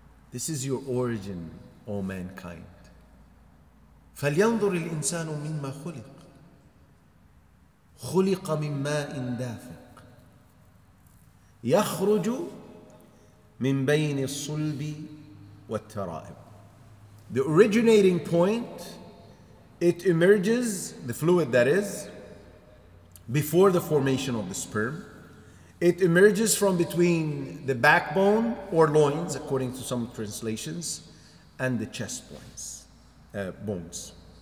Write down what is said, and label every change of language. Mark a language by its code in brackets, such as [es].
[en] This is your origin, O mankind. [ar] فَلْيَنْظُرِ الْإِنسَانُ مِمَّا خُلِقَ. خلق من ماء دافق يخرج من بين الصلب والترائب. [en] The originating point, it emerges, the fluid that is, before the formation of the sperm. It emerges from between the backbone or loins, according to some translations, and the chest bones.